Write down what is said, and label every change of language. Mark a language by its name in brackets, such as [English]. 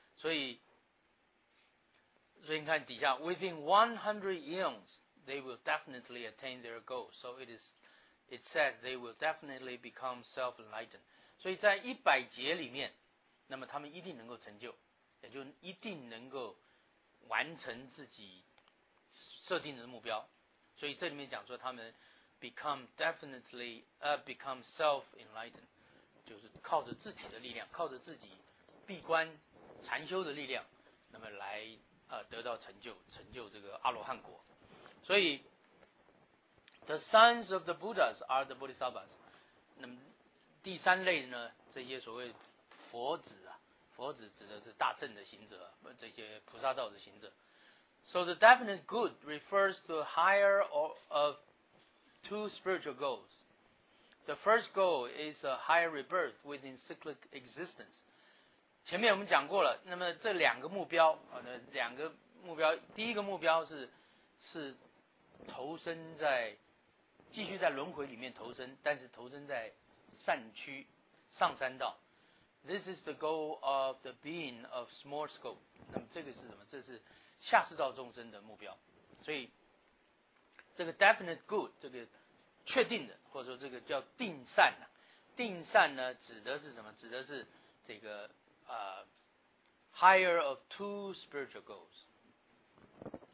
[Chinese] 所以你看底下 [English] ，within 100 eons，they will definitely attain their goal。So it is it says they will definitely become self-enlightened. [Chinese] 所以在一百节里面，那么他们一定能够成就，也就一定能够完成自己设定的目标。所以这里面讲说他们 [English] become self-enlightened， [Chinese] 就是靠着自己的力量，靠着自己闭关禅修的力量，那么来得到成就，成就这个阿罗汉果。所以 [English] the sons of the Buddhas are the Bodhisattvas。 [Chinese] 那么第三类呢，这些所谓佛子啊，佛子指的是大乘的行者，这些菩萨道的行者。 [English] So the definite good refers to higher of two spiritual goals. The first goal is a higher rebirth within cyclic existence. [Chinese] 前面我们讲过了，那么这两个目标，两个目标，第一个目标是投身在，继续在轮回里面投身，但是投身在善趋，上三道。 [English] This is the goal of the being of small scope. [Chinese] 那么这个是什么？这是下士道众生的目标。所以这个 definite good， 这个确定的，或者说这个叫定善、啊、定善呢指的是什么？指的是这个 [English] higher of two spiritual goals。